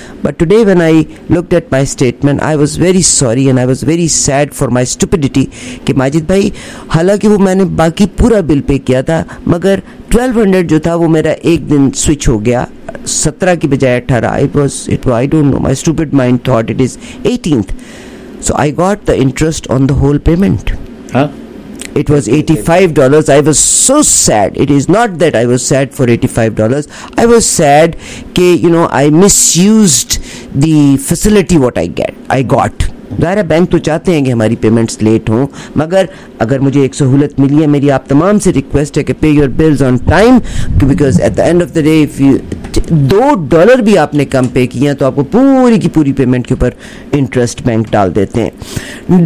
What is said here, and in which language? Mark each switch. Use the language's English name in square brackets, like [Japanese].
[English] but today when I looked at my statement I was very sorry and I was very sad for my stupidity [Hindi] कि माजिद भाई हालांकि वो मैंने बाकी पूरा बिल पे किया था मगर 1200 जो था वो मेरा एक दिन स्विच हो गया 17 की बजाय 18. [English] It was I don't know my stupid mind thought it is 18th. So I got the interest on the whole payment. It was $85. I was so sad. It is not that I was sad for $85. I was sad [Hindi] ke, [English] you know, I misused the facility what I got. [Hindi] ज़ाहिर है bank तो चाहते हैं कि हमारी payments late हों मगर अगर मुझे एक सहूलत मिली है, मेरी आप तमाम से रिक्वेस्ट है कि [English] pay your bills on time because at the end of the day if you [Hindi] $2 भी आपने कम पे किया तो आपको पूरी की पूरी पेमेंट के ऊपर इंटरेस्ट बैंक डाल देते हैं.